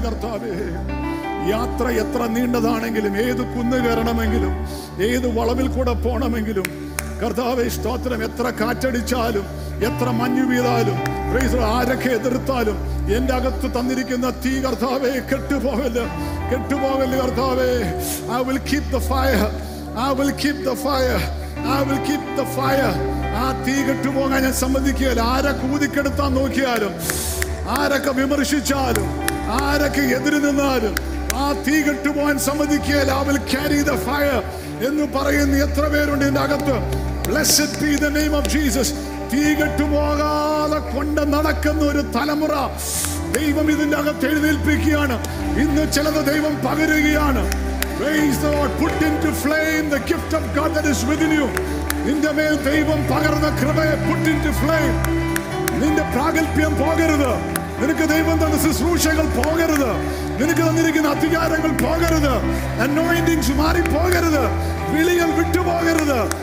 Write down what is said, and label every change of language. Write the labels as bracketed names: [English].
[Malayalam] കർത്താവ്, യാത്ര എത്ര നീണ്ടതാണെങ്കിലും, ഏത് കുന്ന് കയറണമെങ്കിലും, ഏത് വളവിൽ കൂടെ പോണമെങ്കിലും, കർത്താവ് സ്തോത്രം, എത്ര കാറ്റടിച്ചാലും, എത്ര മഞ്ഞു വീതാലും, ആരൊക്കെ എതിർത്താലും, എന്റെ അകത്ത് തന്നിരിക്കുന്ന തീ കർത്താവെ കെട്ടുപോകല്ല, കെട്ടുപോകല്ല കർത്താവെ. [English] I will keep the fire, I will keep the fire, I will keep the fire. [Malayalam] ആ തീ കെട്ടുപോകാൻ ഞാൻ സമ്മതിക്കുകയല്ല. ആരൊക്കെ ഊതിക്കെടുത്താൻ നോക്കിയാലും, ആരൊക്കെ വിമർശിച്ചാലും, ആരൊക്കെ എതിര് നിന്നാലും, ആ തീ കെട്ടുപോകാൻ സമ്മതിക്കുകയല്ല. [English] I will carry the fire [Malayalam] എന്ന് പറയുന്ന എത്ര പേരുണ്ട് എന്റെ അകത്ത്. [English] Blessed be the name of Jesus. [Malayalam] തീ കെട്ടുപോകാതെ കൊണ്ട് നടക്കുന്ന ഒരു തലമുറ ദൈവം ഇതിന്റെ അകത്ത് എഴുന്നേൽപ്പിക്കുകയാണ്. ഇന്ന് ചിലത് ദൈവം പകരുകയാണ്. [English] Praise the Lord. Put into flame the gift of God that is within you. [Malayalam] നിന്റെ മേൽ ദൈവം പകർന്ന കൃപയെ [English] put into flame. [Malayalam] നിന്റെ പ്രാഗൽഭ്യം പോകരുത്. നിനക്ക് ദൈവം തന്ന ശുശ്രൂഷകൾ പോകരുത്. നിനക്ക് തന്നിരിക്കുന്ന അധികാരങ്ങൾ പോകരുത്. Anointings മാറി പോകരുത്. വിളികൾ വിട്ടുപോകരുത്.